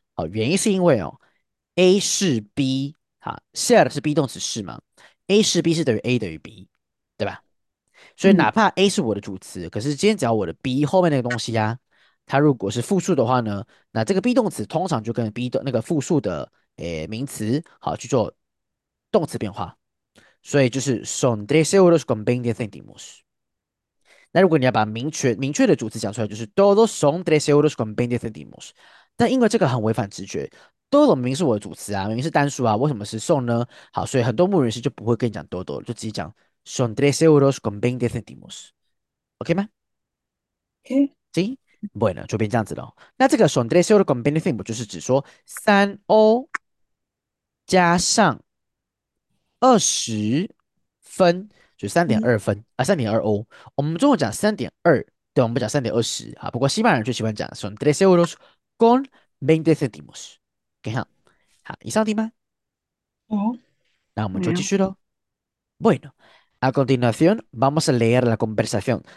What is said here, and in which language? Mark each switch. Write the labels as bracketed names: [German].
[Chinese] 原因是因为A 是 B，share 是 be 动词是吗？A 是 B 是等于 A 等于 B，对吧？所以哪怕 A 是我的主词，可是今天只要我的 be 后面那个东西啊，它如果是复数的话呢，那这个 be 动词通常就跟 be 的那个复数的名词去做动词变化，所以就是 [Spanish] son tres euros con veinte céntimos。 [Chinese] 那如果你要把明确的主词讲出来，就是 [Spanish] todos son tres euros con veinte céntimos。 [Chinese] 但因为这个很违反直觉，todo 明明是我的主词啊，明明是单数啊，为什么是 son 呢？好，所以很多母语人士就不会跟你讲 todo，就直接讲 [Spanish] son tres euros con veinte céntimos。 [Chinese] OK 吗？行。 Bueno，就变这样子了。那这个 [Spanish] son tres euros con veinte céntimos [Chinese] 就是指说三欧加上20分，就3.2分啊，3.2欧。我们中文讲3.2，对，我们不讲3.20啊。不过西班牙人就喜欢讲 [Spanish] son tres euros con veinte céntimos。 [Chinese] OK 哈，好，以上听吗？那我们就继没有。续喽。 [Spanish] Bueno, a continuación vamos a leer la conversación。